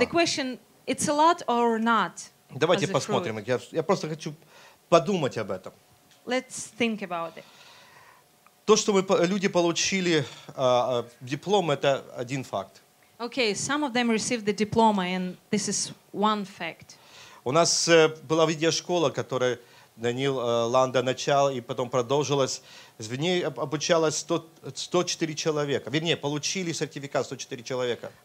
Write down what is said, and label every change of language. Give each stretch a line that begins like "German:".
English: Okay, the question, it's a lot or not?
Russian: Давайте посмотрим, я просто хочу подумать об этом.
English: Let's think about it.
Russian: То, что мы, люди получили диплом, это один факт.
English: Okay, some of them received the diploma, and this is one fact.
Russian: У нас была видеошкола, которая Даниил Ланда начал и потом продолжилась. В ней обучалось 104 человека. Вернее, получили сертификат 104 человека.